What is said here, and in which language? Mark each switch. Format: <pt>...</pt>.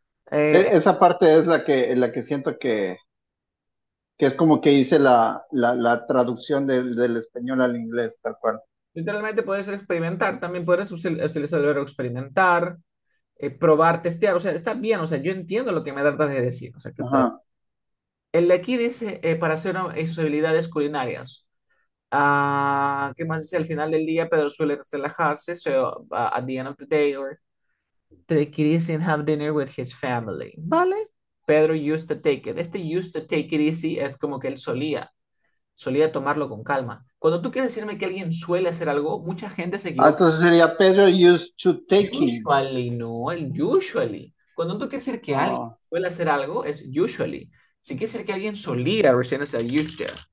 <es>Esa parte es la que siento que es como que hice la traducción del español al inglés, tal cual. Literalmente puedes experimentar, también puedes utilizar el verbo experimentar, probar, testear, o sea, está bien, o sea, yo entiendo lo que me tratas de decir, o sea, que puedo. El de aquí dice, para hacer sus habilidades culinarias. ¿Qué más dice? Al final del día, Pedro suele relajarse,</es> <en>so, at the end of the day, or take it easy and have dinner with his family. ¿Vale? Pedro used to take it.</en> <es>Este</es> <en>used to take it easy</en> <es>es como que él solía tomarlo con calma. Cuando tú quieres decirme que alguien suele hacer algo, mucha gente se equivoca. Entonces sería</es> <en>Pedro used to taking.</en> <es>Usually, no, el usually. Cuando tú quieres decir que alguien suele hacer algo, es usually. Si quieres decir que alguien solía, recién es el used to.</es>